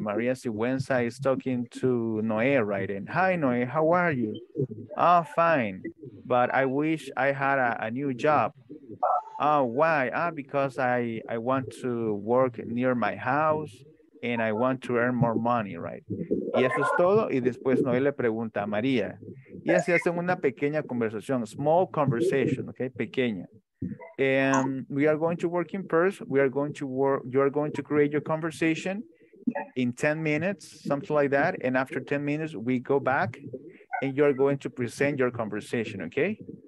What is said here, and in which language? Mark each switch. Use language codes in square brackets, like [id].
[en] Maria Sigüenza is talking to Noé, right? And hi, Noé, how are you? Ah, oh, fine. But I wish I had a new job. Why? Because I want to work near my house and I want to earn more money, right? [es] Y eso es todo. Y después Noé le pregunta a María. Y así hacen una pequeña conversación, [en] small conversation, okay? [es] Pequeña. [en] And we are going to work in pairs. We are going to work, you are going to create your conversation in 10 minutes, something like that. And after 10 minutes, we go back and you are going to present your conversation, okay?